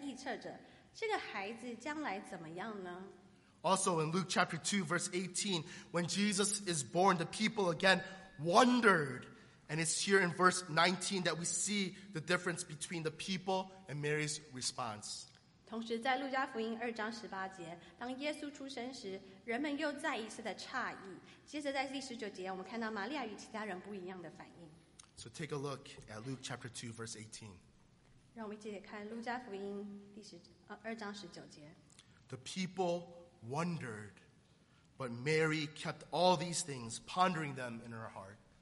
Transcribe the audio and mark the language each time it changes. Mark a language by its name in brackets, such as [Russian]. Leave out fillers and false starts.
[Chinese] 所以马上在接下来的第66节，我们看到这些人在猜测，在臆测着，这个孩子将来怎么样呢？ [English] Also in Luke chapter 2, verse 18, when Jesus is born, the people again wondered. And it's here in verse 19 that we see the difference between the people and Mary's response. [Chinese] 同时在路加福音2章18节，当耶稣出生时，人们又再一次的诧异。接着在第19节，我们看到玛利亚与其他人不一样的反应。So [English] take a look at Luke chapter 2, verse 18. [Chinese] 让我们一起看路加福音2章19节。 [English] The people wondered, but Mary kept all these things, pondering them in her heart.